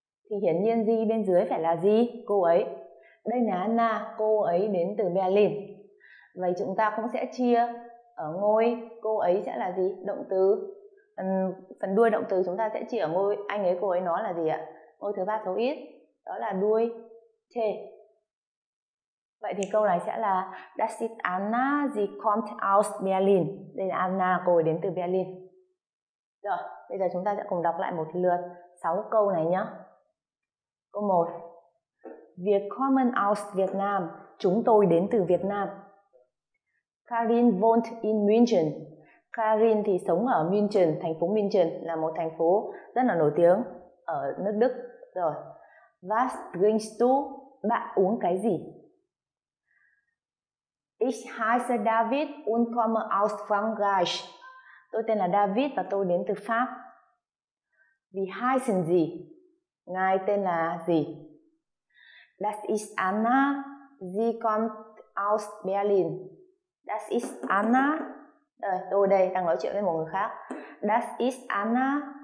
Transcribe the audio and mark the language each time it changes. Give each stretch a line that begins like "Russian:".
Vietnamese: Thì hiển nhiên gì bên dưới phải là gì cô ấy. Đây là Anna, cô ấy đến từ Berlin. Vậy chúng ta cũng sẽ chia ở ngôi cô ấy sẽ là gì? Động từ, phần đuôi động từ chúng ta sẽ chia ở ngôi anh ấy, cô ấy nó là gì ạ? Ngôi thứ ba số ít, đó là đuôi thể. Vậy thì câu này sẽ là
German: Das ist Anna, sie kommt aus Berlin.
Vietnamese: Đây là Anna, cô ấy đến từ Berlin. Rồi, bây giờ chúng ta sẽ cùng đọc lại một lượt 6 câu này nhé. Câu 1.
German: Wir kommen aus Vietnam.
Vietnamese: Chúng tôi đến từ Việt Nam.
German: Karin wohnt in München.
Vietnamese: Karin thì sống ở München, thành phố München là một thành phố rất là nổi tiếng ở nước Đức. Rồi,
German: was trinkst du?
Vietnamese: Bạn uống cái gì?
German: Ich heiße David und komme aus Frankreich.
Vietnamese: Tôi tên là David và tôi đến từ Pháp.
German: Wie heißen Sie?
Vietnamese: Ngài tên là gì?
German: Das ist Anna. Sie kommt aus Berlin. Das ist Anna.
Vietnamese: Tôi đây đang nói chuyện với một người khác.
German: Das ist Anna.